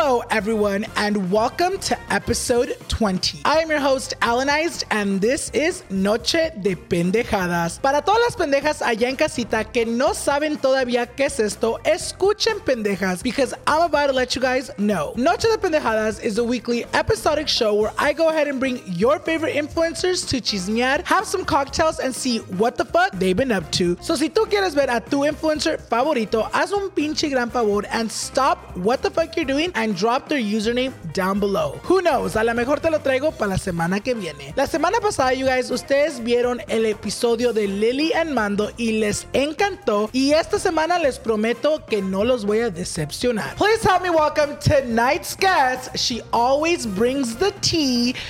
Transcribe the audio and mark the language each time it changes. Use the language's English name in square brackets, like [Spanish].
[English] Everyone, and welcome to episode 20. I am your host, Alanized, and this is Noche de Pendejadas. [Spanish] Para todas las pendejas allá en casita que no saben todavía qué es esto, escuchen pendejas, [English] because I'm about to let you guys know. Noche de Pendejadas is a weekly episodic show where I go ahead and bring your favorite influencers to chismear, have some cocktails, and see what the fuck they've been up to. So [Spanish] si tú quieres ver a tu influencer favorito, haz un pinche gran favor [English] and stop what the fuck you're doing and drop their username down below. Who knows? [Spanish] A lo mejor te lo traigo para la semana que viene. La semana pasada, you guys, ustedes vieron el episodio de Lily and Mando y les encantó. Y esta semana les prometo que no los voy a decepcionar. [English] Please help me welcome tonight's guest. She always brings the tea.